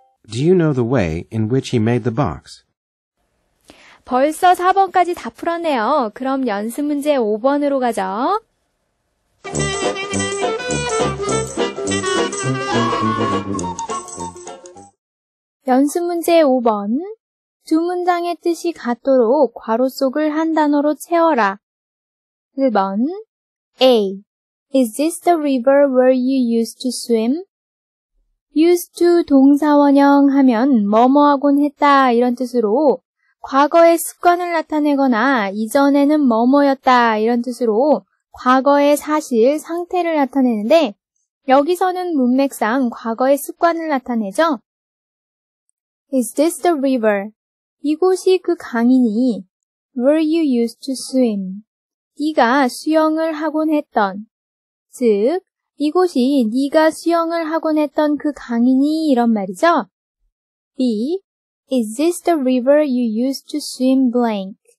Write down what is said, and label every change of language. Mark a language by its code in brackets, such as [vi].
[en] Do you know the way in which he made the box? [ko] 벌써 4번까지 다 풀었네요. 그럼 연습 문제 5번으로 가죠. 연습 문제 5번. 두 문장의 뜻이 같도록 괄호 속을 한 단어로 채워라. 1번. A. [en] Is this the river where you used to swim? [ko] used to 동사원형 하면 뭐뭐하곤 했다 이런 뜻으로 과거의 습관을 나타내거나 이전에는 뭐뭐였다 이런 뜻으로 과거의 사실, 상태를 나타내는데 여기서는 문맥상 과거의 습관을 나타내죠. [en] Is this the river? [ko] 이곳이 그 강이니 [en] Where you used to swim? [ko] 네가 수영을 하곤 했던 즉, 이곳이 네가 수영을 하곤 했던 그 강이니 이런 말이죠. B. [en] Is this the river you used to swim blank?